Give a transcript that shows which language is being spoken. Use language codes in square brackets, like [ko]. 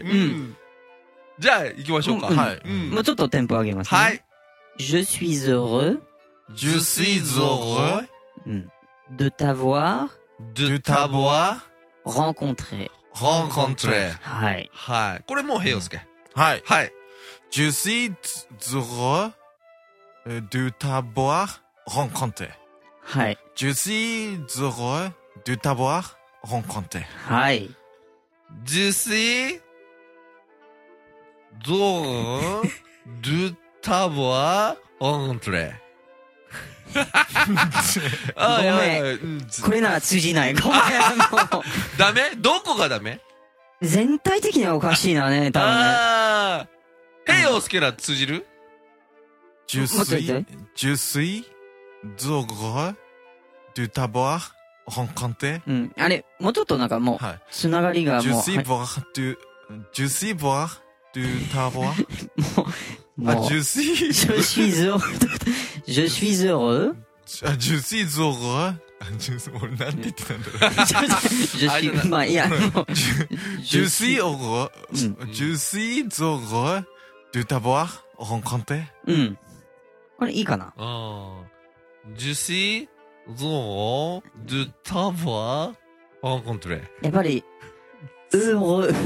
[ja] うん、じゃあ、行きましょうか、うんうん、はい、うん、もうちょっとテンポ上げますね、はい、 [fr] je suis heureux、 je suis heureux、 de t'avoir、 de t'avoir、 rencontré、 rencontré、 [ja] はい、はい、これもう平洋介、うん、はい、はい。 [fr] Je suis heureux de t'avoir rencontré. [ja] Hi. [fr] Je suis heureux de t'avoir rencontré. [ja] Hi. [fr] Je suis heureux de t'avoir rencontré. [ja] ごめん。これなら通じない。ごめん。ダメ？どこがダメ？全体的にはおかしいなね、多分ね。ヘイオスケラ通じる？ [fr] Je suis, je suis heureux de t'avoir rencontré。 [ja] うん、あれもうちょっとなんかもうつながりがもう。 [fr] Je suis heureux de, je suis heureux de t'avoir。 [ja] もう、 [fr] Je suis, je suis heureux, je suis heureux。 Je suis heureux。 [ja] 俺なんて言ってたんだろう。 [fr] je suis, [ja] まあいや、 [fr] je suis heureux, je suis heureux。 De t'avoir rencontré? [ja] うん。これいいかな？うん。 [fr] Je suis heureux de t'avoir rencontré. [ja] やっぱり、heureux。